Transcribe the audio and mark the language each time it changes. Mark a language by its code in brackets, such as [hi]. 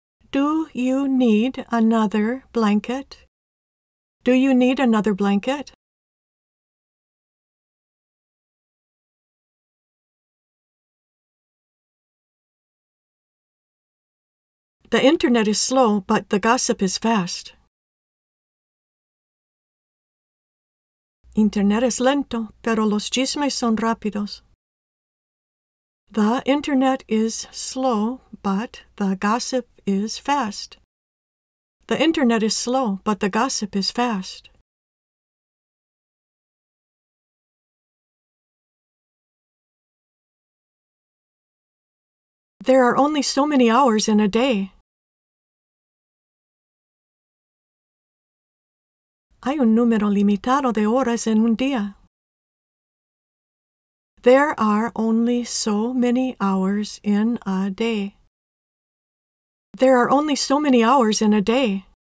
[en] Do you need another blanket? Do you need another blanket? The internet is slow, but the gossip is fast. [es] Internet es lento, pero los chismes son rápidos. [en] The internet is slow, but the gossip is fast. The internet is slow, but the gossip is fast. There are only so many hours in a day. [es] Hay un número limitado de horas en un día. [en] There are only so many hours in a day. There are only so many hours in a day.